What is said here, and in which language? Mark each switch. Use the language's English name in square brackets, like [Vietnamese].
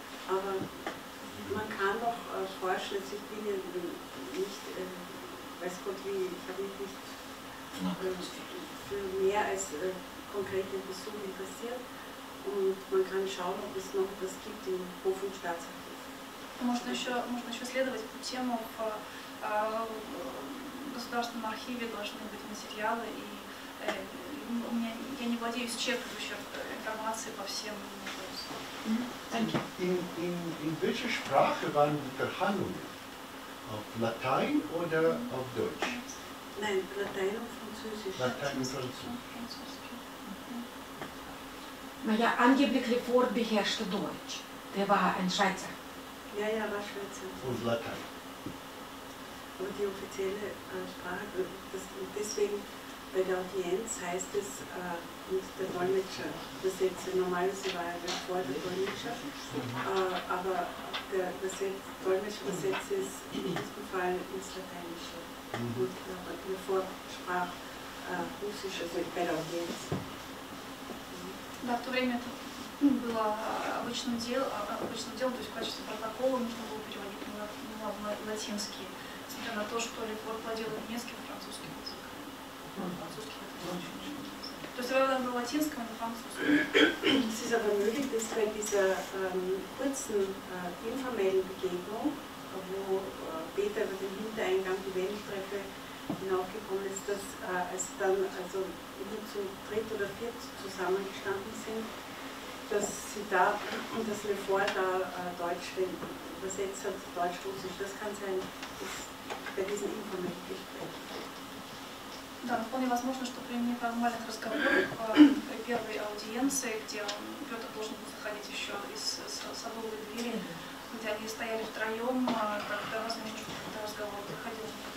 [German] Aber man kann doch forschen, ich bin ja nicht, weiß Gott wie, ich habe mich nicht für mehr als konkrete Besuche interessiert. Und man kann schauen, ob es noch etwas gibt im Hof- und Staatsarchiv. [Russian] Можно еще следовать по темам. В государственном архиве должны быть материалы и у меня, я не владею исчерпывающей информацией по всем вопросам. [German] In welcher Sprache waren die Verhandlungen? Auf Latein oder auf Deutsch? Nein, Latein und Französisch. Latein und Französisch. Naja, angeblich Lefort beherrschte Deutsch. Der war ein Schweizer. Ja, ja, war Schweizer. Und Latein. Und die offizielle Sprache, das, und deswegen bei der Audienz heißt es, und der Dolmetscher, das jetzt normalerweise war er Lefort der Dolmetscher, aber der Dolmetscher übersetzt es in diesem Fall ins Lateinische. Mhm. Und Lefort sprach Russisch, also bei der Audienz. [Russian] Да, в то время это было обычным делом, то есть в качестве протокола нужно было переводить на латинский, несмотря на то, что Лефорт владел немецким и французским языком. Французский это очень важно. То есть это было на латинском и на французском. Это возможно, что в этой [German] hinaufgekommen ist, dass es dann also nur zu dritt oder viert zusammengestanden sind, dass sie da und dass Lefort da Deutsch übersetzt hat, Deutsch-Russisch. Das kann sein, dass bei diesen informellen Gesprächen. [Russian] Да, вполне возможно, что при неформальных разговорах при первой аудиенции, где Петр должен был заходить еще из садовой двери, где они стояли втроем, тогда возможно, что этот разговор проходил.